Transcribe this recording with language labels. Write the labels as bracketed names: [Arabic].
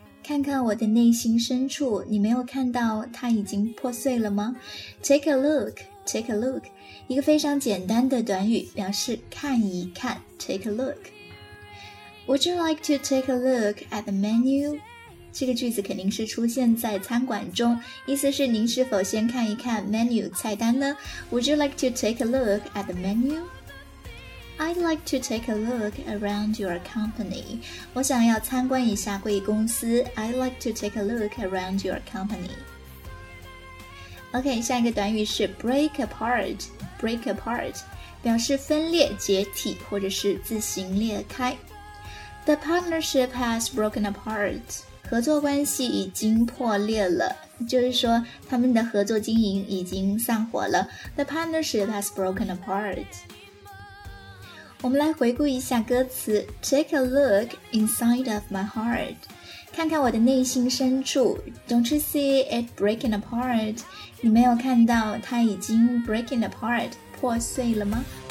[Chinese] 看看我的内心深处，你没有看到它已经破碎了吗？ [English] Take a look, take a look， [Chinese] 一个非常简单的短语，表示看一看， [English] take a look。 Would you like to take a look at the menu? [Chinese] 这个句子肯定是出现在餐馆中，意思是您是否先看一看 menu 菜单呢？ [English] Would you like to take a look at the menu? I'd like to take a look around your company. [Chinese] 我想要参观一下贵公司。 [English] I'd like to take a look around your company. [Chinese] OK, 下一个短语是 break apart. Break apart 表示分裂、解体或者是自行裂开。 [English] The partnership has broken apart. [Chinese] 合作关系已经破裂了，就是说他们的合作经营已经散伙了。 [English] The partnership has broken apart. [Chinese] 我们来回顾一下歌词。 [English] Take a look inside of my heart. [Chinese] 看看我的内心深处。 [English] Don't you see it breaking apart? [Chinese] 你没有看到它已经 breaking apart, 破碎了吗？